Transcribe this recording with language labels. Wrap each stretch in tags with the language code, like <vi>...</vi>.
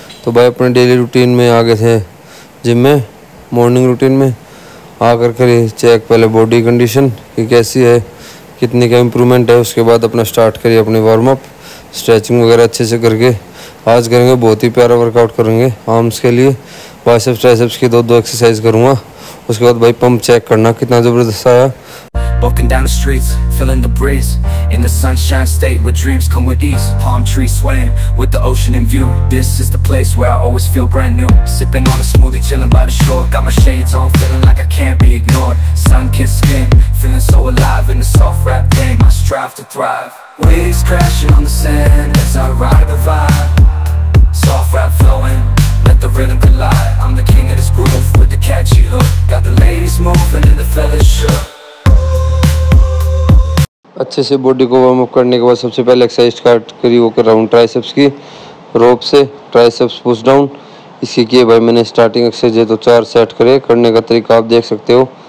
<hi>तो भाई अपने डेली रूटीन में आ गए थे जिम में, मॉर्निंग रूटीन में आ कर करे चेक पहले बॉडी कंडीशन कि कैसी है, कितनी क्या इम्प्रूवमेंट है। उसके बाद अपना स्टार्ट करिए अपने वार्म अप, स्ट्रेचिंग वगैरह अच्छे से करके आज करेंगे। बहुत ही प्यारा वर्कआउट करेंगे आर्म्स के लिए, बाइसेप्स ट्राइसेप्स की दो दो एक्सरसाइज करूँगा। उसके बाद भाई पंप चेक करना कितना ज़बरदस्त आया।</hi> <en>Walking down the streets, feeling the breeze in the sunshine state where dreams come with ease. Palm trees swaying with the ocean in view. This is the place where I always feel brand new. Sipping on a smoothie, chilling by the shore. Got my shades on, feeling like I can't be ignored. Sun-kissed skin, feeling so alive in the soft rap game. I strive to thrive. Waves crashing on the sand as I ride the vibe. Soft rap flowing, let the rhythm collide. I'm the king of this groove with the catchy hook. Got the ladies moving and the fellas shook.</en> <hi>अच्छे से body को warm up करने के बाद सबसे पहले exercise start करी वो कर राउंड ट्राइसेप्स की, रोप से ट्राइसेप्स पुश डाउन इसकी किए भाई मैंने। स्टार्टिंग एक्सरसाइज है तो चार सेट करे, करने का तरीका आप देख सकते हो।</hi>